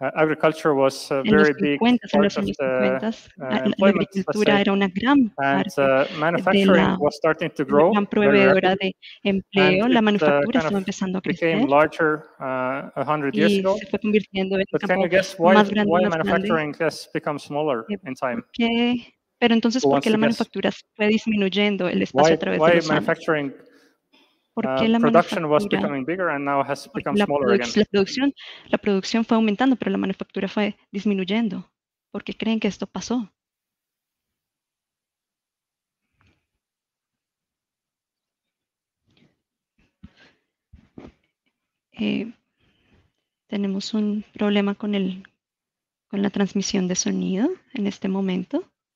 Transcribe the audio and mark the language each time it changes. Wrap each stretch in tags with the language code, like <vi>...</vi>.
<en>agriculture was a very big part of the employment, and manufacturing was starting to grow.</en> <es>La proveedora de empleo, la manufactura estaba empezando a crecer.</es> <en>Became larger 100 years ago.</en> <es>Se fue convirtiendo en</es> <en>But can you guess why manufacturing has become smaller in time? Okay.</en> <es>Pero entonces, ¿por qué la manufactura fue disminuyendo el espacio a través de los años?</es> <en>Production was becoming bigger and now has become smaller again.</en> <es>La producción fue aumentando, pero la manufactura fue disminuyendo. ¿Por qué creen que esto pasó? Tenemos un problema con la transmisión de sonido en este momento.</es>